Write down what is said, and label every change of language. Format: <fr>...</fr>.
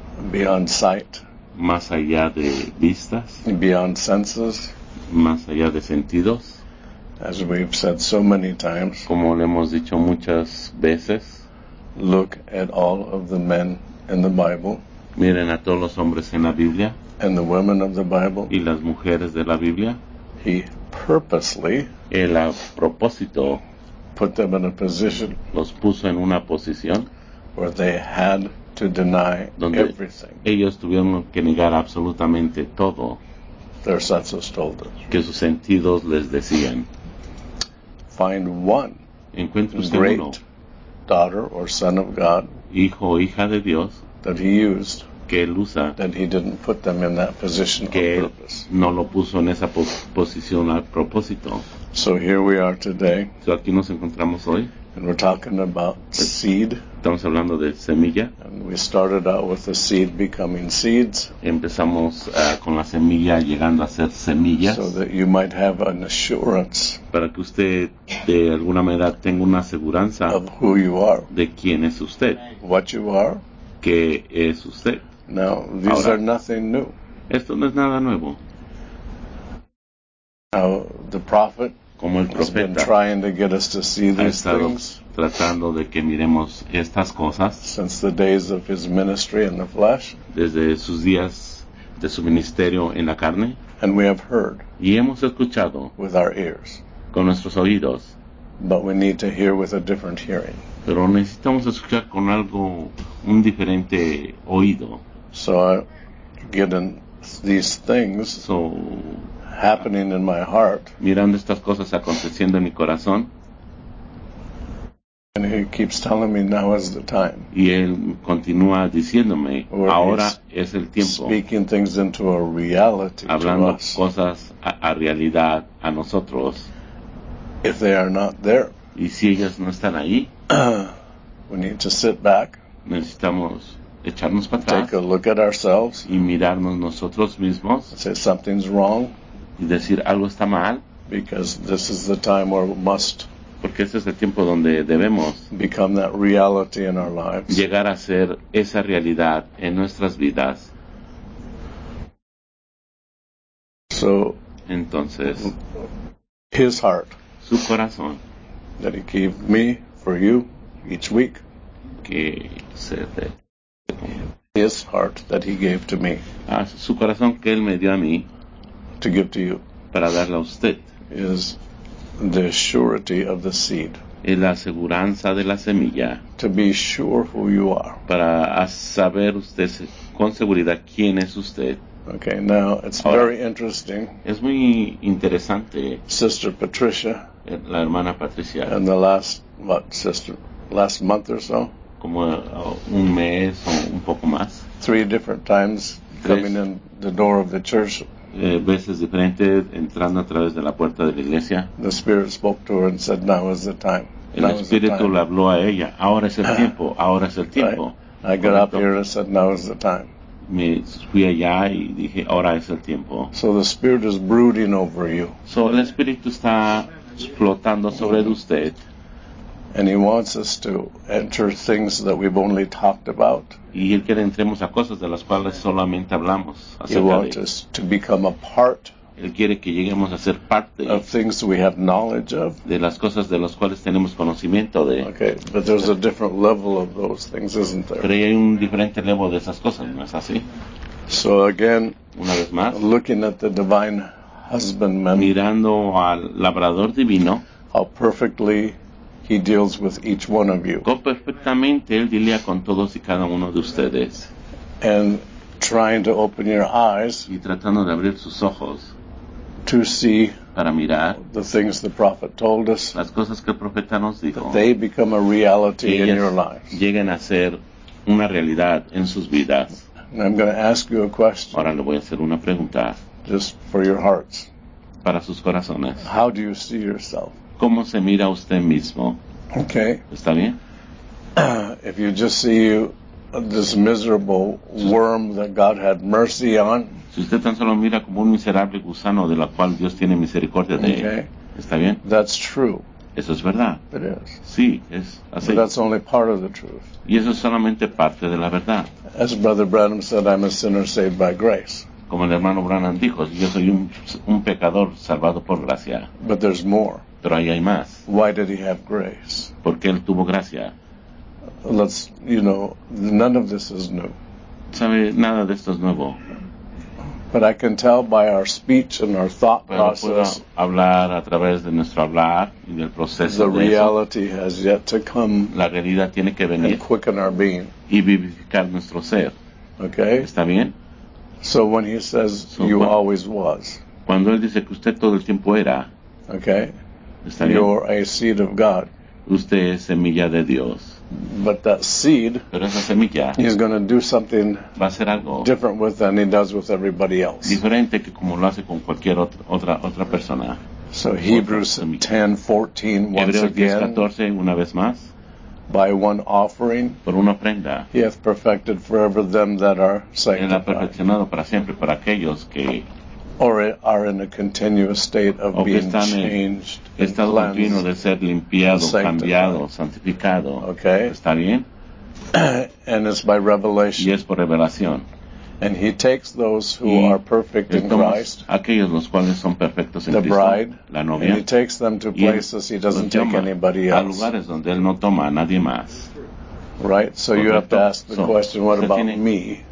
<en>Beyond sight.</en> <es>Más allá de vistas.</es> <en>Beyond senses.</en> <es>Más allá de sentidos.</es> <en>As we've said so many times.</en> <es>Como le hemos dicho muchas veces.</es> <en>Look at all of the men in the Bible.</en> <es>Miren a todos los hombres en la Biblia.</es> <en>And the women of the Bible.</en> <es>Y las mujeres de la Biblia.</es> <en>He purposely.</en> <es>Él a propósito.</es> <en>Put them in a position.</en> <es>Los puso en una posición.</es> <en>Where they had to deny</en> <es>donde</es> <en>everything.</en> <es>Ellos tuvieron que negar absolutamente todo.</es> <en>Their senses told them.</en> <es>Que sus sentidos les decían.</es> <en>Find one.</en> <es>Encuentre usted</es> <en>great</en> <es>uno.</es> <en>Daughter or son of God.</en> <es>Hijo o hija de Dios.</es> <en>That he used.</en> <es>Que él usa.</es> <en>That he didn't put them in that position</en> <es>que</es> <en>on purpose.</en> <es>No lo puso en esa posición al propósito.</es> <en>So here we are today.</en> <es>So aquí nos encontramos hoy.</es> <en>And we're talking about seed.</en> <es>Estamos hablando de semilla.</es> <en>And we started out with the seed becoming seeds.</en> <es>Empezamos con la semilla llegando a ser semillas.</es> <en>So that you might have an assurance.</en> <es>Para que usted de alguna manera tenga una aseguranza.</es> <en>Of who you are.</en> <es>De quién es usted.</es> <en>What you are.</en> <es>Qué es usted.</es> <en>Now, these</en> <es>ahora,</es> <en>are nothing new.</en> <es>Esto no es nada nuevo.</es> <en>Now, the prophet.</en> <es>Como el profeta</es> <en>has been trying to get us to see these things,</en> <es>tratando de que miremos estas cosas,</es> <en>since the days of his ministry in the flesh,</en> <es>desde sus días de su ministerio en la carne,</es> <en>and we have heard,</en> <es>y hemos escuchado,</es> <en>with our ears,</en> <es>con nuestros oídos,</es> <en>but we need to hear with a different hearing,</en> <es>pero necesitamos escuchar con algo un diferente oído.</es> <en>So, given these things, so happening in my heart,</en> <es>mirando estas cosas aconteciendo en mi corazón,</es> <en>And he keeps telling me now is the time.</en> <es>Y él continúa diciéndome, or ahora es el tiempo.</es> <en>Speaking things into a reality to us.</en> <es>Hablando cosas a realidad a nosotros.</es> <en>If they are not there.</en> <es>Y si ellas no están ahí.</es> <en>We need to sit back.</en> <es>Necesitamos echarnos para atrás.</es> <en>Take a look at ourselves.</en> <es>Y mirarnos nosotros mismos.</es> <en>Say something's wrong.</en> <es>Y decir algo está mal.</es> <en>Because this is the time where we must.</en> <es>Porque este es el tiempo donde debemos</es> <en>become that reality in our lives.</en> <es>Llegar a ser esa realidad en nuestras vidas.</es> <en>So,</en> <es>entonces,</es> <en>his heart,</en> <es>su corazón,</es> <en>that he gave me for you each week,</en> <es>que se de,</es> <en>his heart that he gave to me,</en> <es>a su corazón que él me dio a mí,</es> <en>to give to you,</en> <es>para darle a usted,</es> <en>is the surety of the seed.</en> <es>Es la aseguranza de la semilla.</es> <en>To be sure who you are.</en> <es>Para saber usted con seguridad quién es usted.</es> <en>Okay, now it's ahora, very interesting.</en> <es>Es muy interesante.</es> <en>Sister Patricia.</en> <es>La hermana Patricia.</es> <en>In the last, what, sister, last month or so?</en> <es>Como un mes o un poco más.</es> <en>Three different times coming in the door of the church.</en> <es>Veces diferentes entrando a través de la puerta de la iglesia.</es> <en>The Spirit spoke to her and said, "Now is the time."</en> <es>El Espíritu le habló a ella. Ahora es el tiempo. Ahora es el tiempo.</es> <en>I got up here and said, "Now is the time."</en> <es>Me fui allá y dije, "Ahora es el tiempo."</es> <en>So the Spirit is brooding over you.</en> <es>So el Espíritu está explotando sobre usted.</es> <en>And he wants us to enter things that we've only talked about.</en> <es>Y él quiere entremos a cosas de las cuales solamente hablamos.</es> <en>He wants us to become a part.</en> <es>Él quiere que lleguemos a ser parte.</es> <en>Of things we have knowledge of.</en> <es>De las cosas de las cuales tenemos conocimiento de.</es> <en>Okay, but there's a different level of those things, isn't there?</en> <es>Pero hay un diferente level de esas cosas, ¿no es así?</es> <en>So again,</en> <es>una vez más,</es> <en>looking at the divine husbandman.</en> <es>Mirando al labrador divino.</es> <en>How perfectly he deals with each one of you.</en> <es>Perfectamente él lidia con todos y cada uno de ustedes.</es> <en>And trying to open your eyes.</en> <es>Y tratando de abrir sus ojos.</es> <en>To see.</en> <es>Para mirar.</es> <en>The things the prophet told us.</en> <es>Las cosas que el profeta nos dijo.</es> <en>That they become a reality in your life.</en> <es>Lleguen a ser una realidad en sus vidas.</es> <en>And I'm going to ask you a question.</en> <es>Ahora le voy a hacer una pregunta.</es> <en>Just for your hearts.</en> <es>Para sus corazones.</es> <en>How do you see yourself?</en> <es>¿Cómo se mira usted mismo?</es> <en>Okay.</en> <es>¿Está bien?</es> <en>If you just see you, this miserable worm that God had mercy on.</en> <es>Si usted tan solo mira como un miserable gusano de la cual Dios tiene misericordia de él.</es> <en>Okay.</en> <es>¿Está bien?</es> <en>That's true.</en> <es>Eso es verdad.</es> <en>It is.</en> <es>Sí, es así.</es> <en>But that's only part of the truth.</en> <es>Y eso es solamente parte de la verdad.</es> <en>As Brother Branham said, I'm a sinner saved by grace.</en> <es>Como el hermano Branham dijo, yo soy un pecador salvado por gracia.</es> <en>But there's more.</en> <es>Pero ahí hay más.</es> <en>Why did he have grace?</en> <es>¿Por qué él tuvo gracia?</es> <en>Let's, you know, none of this is new.</en> <es>¿Sabe? Nada de esto es nuevo.</es> <en>But I can tell by our speech and our thought process.</en> <es>Pero puedo hablar a través de nuestro hablar y del proceso.</es> <en>The reality has yet to come.</en> <es>La realidad tiene que venir.</es> <en>And quicken our being.</en> <es>Y vivificar nuestro ser.</es> <en>Okay.</en> <es>¿Está bien?</es> <en>So when he says you always was.</en> <es>Cuando él dice que usted todo el tiempo era.</es> <en>Okay.</en> <es>¿Está bien?</es> <en>You're a seed of God.</en> <es>Usted es semilla de Dios.</es> <en>But that seed.</en> <es>Pero esa semilla.</es> <en>He's going to do something.</en> <es>Va a hacer algo.</es> <en>Different with than he does with everybody else.</en> <es>Diferente que como lo hace con cualquier otra persona.</es> <en>So Hebrews 10:14 once again.</en> <es>Hebreos 10:14 una vez más.</es> <en>By one offering.</en> <es>Por una ofrenda.</es> <en>He hath perfected forever them that are sanctified.</en> <es>Él ha perfeccionado para siempre para aquellos que.</es> <en>Or are in a continuous state of being changed,</en> <es>estado continuo de ser limpiado, cambiado, santificado.</es> <en>Okay.</en> <es>¿Está bien?</es> <en>And it's by revelation.</en> <es>Y es por revelación.</es> <en>And he takes those who are perfect in Christ.</en> <es>Aquellos los cuales son perfectos en</es> <en>the bride,</en> <es>Cristo. La novia.</es> <en>And he takes them to places he doesn't take anybody else.</en> <es>A lugares donde él no toma a nadie más.</es> <en>Right? So</en> <es>correcto.</es> <en>You have to ask the question, what about me?</en>